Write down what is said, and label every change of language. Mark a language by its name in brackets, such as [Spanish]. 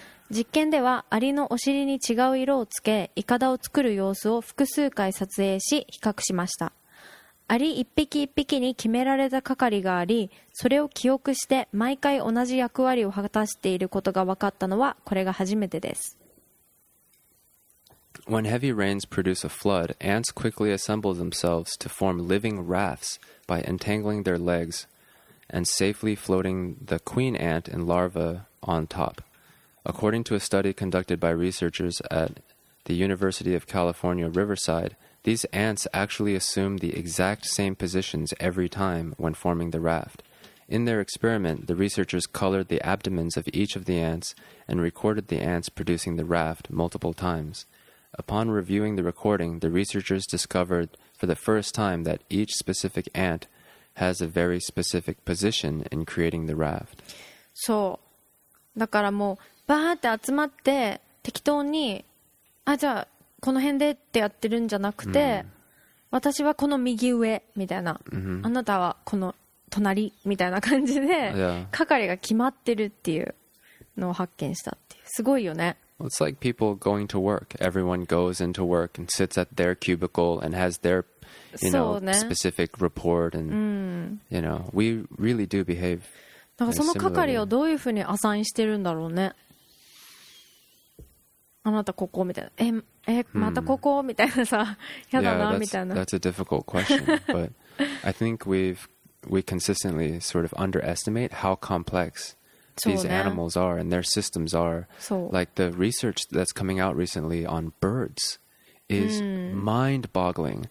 [Japanese] 実験ではアリのお尻に違う色をつけイカダを作る様子を複数回撮影し比較しました。アリ一匹一匹に決められた係があり、それを記憶して毎回同じ役割を果たしていることが分かったのはこれが初めてです。 [English] When heavy rains produce a flood, ants quickly assemble themselves to form living rafts by entangling their legs and safely floating the queen ant and larva on top. According to a study conducted by researchers at the University of California, Riverside,These ants actually assume the exact same positions every time when forming the raft. In their experiment, the researchers colored the abdomens of each of the ants and recorded the ants producing the raft multiple times. Upon reviewing the recording, the researchers discovered for the first time that each specific ant has a very specific position in creating the raft. [Japanese] そう。だからもう、バーって集まって適当に、あ、じゃあ、この辺でってやってるんじゃなくて、mm. 私はこの右上みたいな、mm-hmm. あなたはこの隣みたいな感じで、 [English] yeah. [Japanese] 係が決まってるっていうのを発見したっていう、すごいよね。 [English] Well, it's like people going to work. Everyone goes into work and sits at their cubicle and has their, you know,、 [Japanese] ね、 [English] specific report and、mm. you know, we really do behave. [Japanese] だからその係をどういうふうにアサインしてるんだろうね。あなたここみたいな、またここ、hmm. みたいなさ、やだな、 [English] yeah, [Japanese] みたいな。 [English] That's a difficult question, but I think we consistently sort of underestimate how complex、 [Japanese] ね、 [English] these animals are and their systems are. So, like the research that's coming out recently on birds is、mm. mind-boggling.